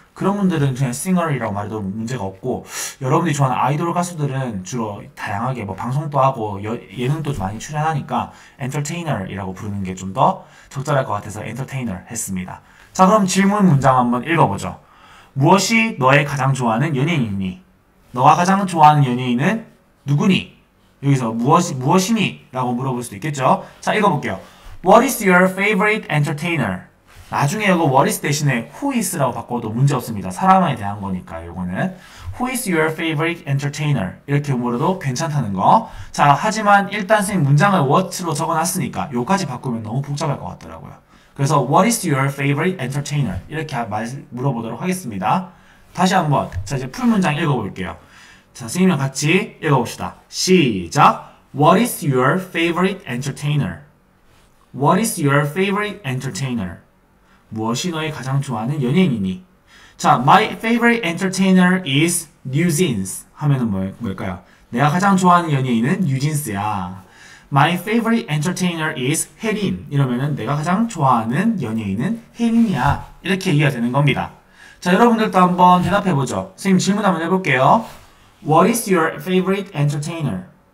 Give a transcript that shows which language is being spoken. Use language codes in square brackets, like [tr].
[ko] 그런 분들은 그냥 싱어라고 말해도 문제가 없고, 여러분들이 좋아하는 아이돌 가수들은 주로 다양하게 뭐 방송도 하고 예능도 많이 출연하니까 엔터테이너라고 부르는 게좀더 적절할 것 같아서 엔터테이너 했습니다. 자, 그럼 질문 문장 한번 읽어보죠. 무엇이 너의 가장 좋아하는 연예인이니? 너가 가장 좋아하는 연예인은 누구니? 여기서 무엇이니? 라고 물어볼 수도 있겠죠. 자, 읽어볼게요. [en] What is your favorite entertainer? [ko] 나중에 이거 what is 대신에 who is라고 바꿔도 문제 없습니다. 사람에 대한 거니까, 이거는. [en] Who is your favorite entertainer? [ko] 이렇게 물어도 괜찮다는 거. 자, 하지만 일단 선생님 문장을 what로 적어놨으니까, 요까지 바꾸면 너무 복잡할 것 같더라고요. 그래서 [en] what is your favorite entertainer? [ko] 이렇게 물어보도록 하겠습니다. 다시 한번. 자, 이제 풀 문장 읽어볼게요. 자, 선생님이랑 같이 읽어봅시다. 시작. [en] What is your favorite entertainer? What is your favorite entertainer? [ko] 무엇이 너의 가장 좋아하는 연예인이니? [en] 자, my favorite entertainer is NewJeans. [ko] 하면은 뭘까요? 내가 가장 좋아하는 연예인은 뉴진스야. [en] My favorite entertainer is 혜린. [ko] 이러면은 내가 가장 좋아하는 연예인은 혜린이야. 이렇게 이해가 되는 겁니다. 자, 여러분들도 한번 대답해보죠. 선생님 질문 한번 해볼게요. [en] What is your favorite entertainer?